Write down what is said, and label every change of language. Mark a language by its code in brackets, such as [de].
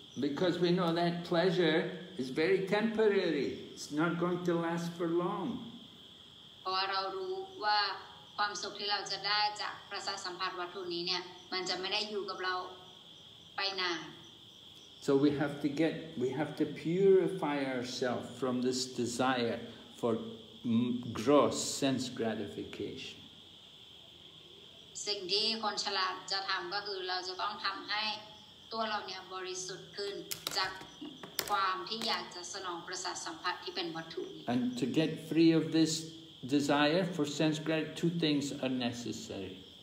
[en] Because we know that pleasure is very temporary. It's not going to last for long. [th] เพราะเรารู้ว่าความสุขที่เราจะได้จากประสาทสัมผัสวัตถุนี้เนี่ยมันจะไม่ได้อยู่กับเราไปนาน [en] So we have to purify ourselves from this desire for gross sense gratification. [th] สิ่งที่คนฉลาดจะทำก็คือเราจะต้องทำให้ตัวเราเนี่ยบริสุทธิ์ขึ้นจากความที่อยากจะสนองประสาทสัมผัสที่เป็นวัตถุ [en] And to get free of this desire for sense gratification, two things are necessary.